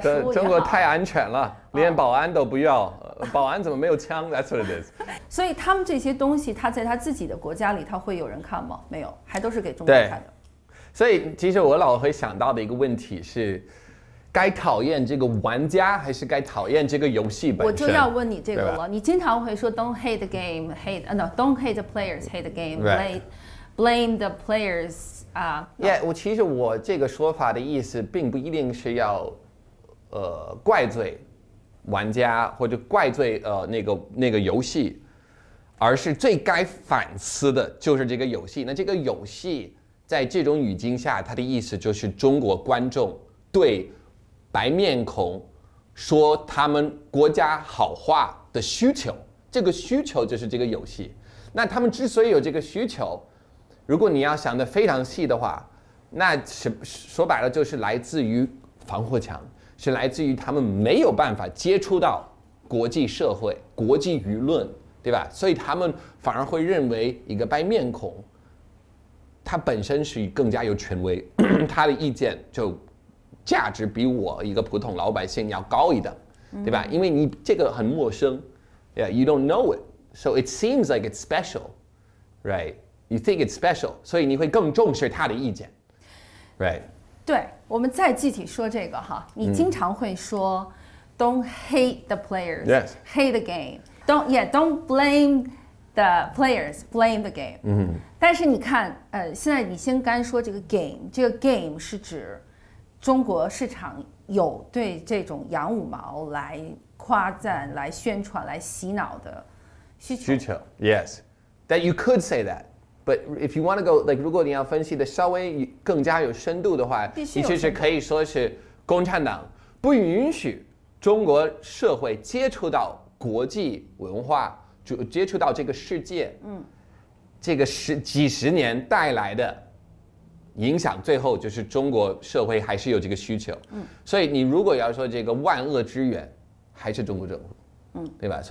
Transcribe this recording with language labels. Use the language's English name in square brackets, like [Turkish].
[Chinese] 中国太安全了，连保安都不要，保安怎么没有枪？ [English] That's what it is. [Chinese] 所以他们这些东西，他在他自己的国家里，他会有人看吗？没有，还都是给中国看的。所以其实我老会想到的一个问题是，该讨厌这个玩家还是该讨厌这个游戏本身？我就要问你这个了。你经常会说 [English] "Don't hate the game, hate no, don't hate the players, hate the game, blame the players." 啊、 [Chinese] yeah, 其实我这个说法的意思并不一定是要，怪罪玩家或者怪罪那个游戏，而是最该反思的就是这个游戏。那这个游戏在这种语境下，它的意思就是中国观众对白面孔说他们国家好话的需求，这个需求就是这个游戏。那他们之所以有这个需求，如果你要想得非常细的话，那说白了就是来自于防火墙，是来自于他们没有办法接触到国际社会、国际舆论，对吧？所以他们反而会认为一个白面孔，他本身是更加有权威，他的意见就价值比我一个普通老百姓要高一等，对吧？因为你这个很陌生， [English] yeah, you don't know it, so it seems like it's special, right? You think it's special, [Chinese] 所以你会更重视他的意见， right? 对，我们再具体说这个哈，你经常会说 [English] don't hate the players, yes, hate the game, don't, yeah, don't blame the players, blame the game. [Chinese] 但是你看，现在你先干说这个 game, 这个 game 是指中国市场有对这种洋五毛来夸赞、来宣传、来洗脑的需求。需求 ， [English] yes, that you could say that, but if you want to go like, [Chinese] 如果你要分析的稍微更加有深度的话，你其实可以说是共产党不允许中国社会接触到国际文化，接触到这个世界，这个几十年带来的影响，最后就是中国社会还是有这个需求，所以你如果要说这个万恶之源还是中国政府，对吧？